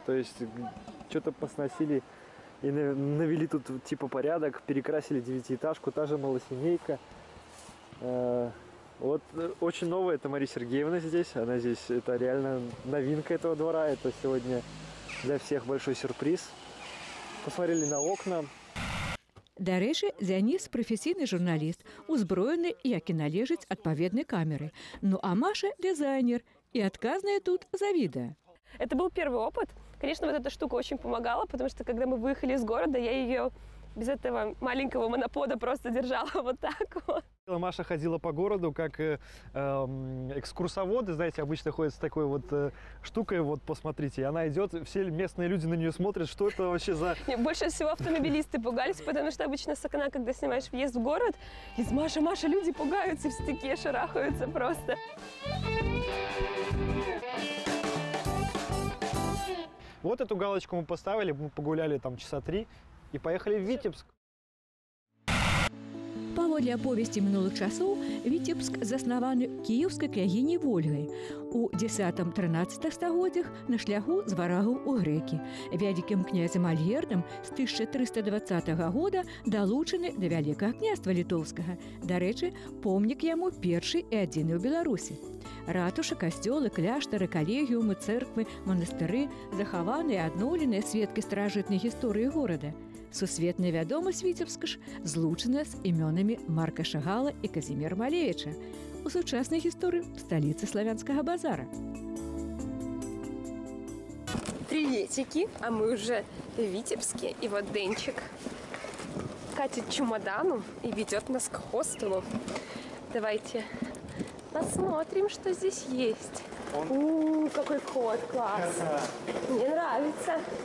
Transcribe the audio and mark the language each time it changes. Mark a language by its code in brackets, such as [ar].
[ru] То есть, что-то посносили и навели тут типа порядок, перекрасили девятиэтажку, та же малосемейка. Вот очень новая, это Мария Сергеевна здесь. Она здесь, это реально новинка этого двора. Это сегодня для всех большой сюрприз. Посмотрели на окна. [be] Дарэчы, Дзяніс – професійны журналіст, узброены, як і належыць адпаведнай камеры. Ну а Маша – дызайнер, і адказная тут за відэа. [ru] Это был первый опыт. Конечно, вот эта штука очень помогала, потому что, когда мы выехали из города, я ее без этого маленького монопода просто держала вот так вот. Маша ходила по городу, как экскурсоводы, знаете, обычно ходят с такой вот штукой, вот посмотрите, она идет, все местные люди на нее смотрят, что это вообще за... Больше всего автомобилисты пугались, потому что обычно с окна, когда снимаешь въезд в город, из «Маша, Маша», люди пугаются, все такие шарахаются просто. Вот эту галочку мы поставили, мы погуляли там часа три и поехали в Витебск. [be] Паводле аповесці мінулых часоў, Вітебск заснаваны кіеўскай княгіняй Вольгай. У 10-13 стагоддзях на шляху з варагаў у грэкі. Вялікім князем Альгердам з 1320 года далучаны да вялікага княства літоўскага. Дарэчы, помнік яму першы і адзіны ў Беларусі. Ратушы, касцёлы, кляштары, калегіумы, цэрквы, манастыры, захаваныя і адноўленыя сведкі старажытнай гісторыі горада. Сусветная вядомасць Вітебска ж злучана з імёнамі Марка Шагала і Казіміра Малевіча у сучаснай гісторыі сталіцы славянскага базара. [ru] Приветики, а мы уже в Витебске, и вот Денчик катит чемодану и ведет нас к хостелу. Давайте посмотрим, что здесь есть. Какой ход, класс. Мне нравится.